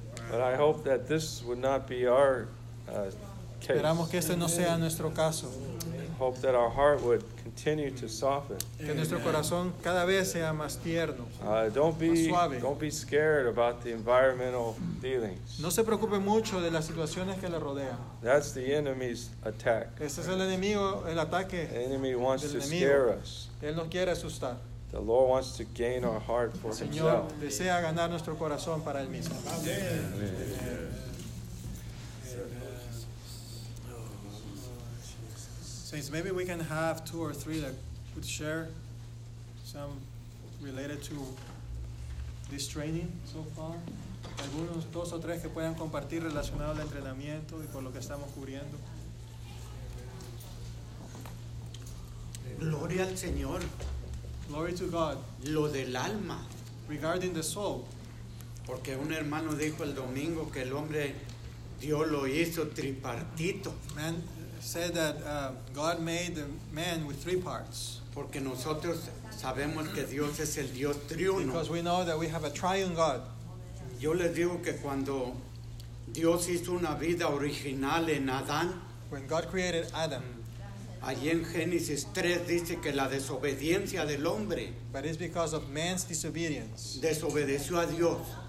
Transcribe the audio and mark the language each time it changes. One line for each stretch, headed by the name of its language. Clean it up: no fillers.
English: But I hope that this would not be our case.
Spanish: Esperamos que este no sea nuestro caso.
English: Hope that our heart would continue to soften.
Spanish: Que nuestro corazón cada vez sea más tierno.
English: Don't be scared about the environmental dealings.
Spanish: No se preocupe mucho de las situaciones que le rodean.
English: That's the enemy's attack.
Spanish: Ese es el enemigo, el ataque.
English: The enemy wants to scare us.
Spanish: Él nos quiere asustar.
English: The Lord wants to gain our heart for Himself.
Spanish: El Señor desea ganar nuestro corazón para Él mismo.
English: Maybe we can have two or three that could share some related to this training so far.
Spanish: Algunos dos o tres que puedan compartir relacionado al entrenamiento y por lo que estamos cubriendo. Gloria al Señor.
English: Glory to God.
Spanish: Lo del alma.
English: Regarding the soul.
Spanish: Porque un hermano dijo el domingo que el hombre Dios lo hizo tripartito.
English: Man said that God made the man with three parts.
Spanish: Porque nosotros sabemos que Dios es el Dios triuno.
English: Because we know that we have a triune God.
Spanish: Yo les digo que cuando Dios hizo una vida original en Adán,
English: when God created Adam,
Spanish: allí en Génesis 3 dice que la desobediencia del hombre,
English: but it's because of man's disobedience,
Spanish: desobedeció a Dios.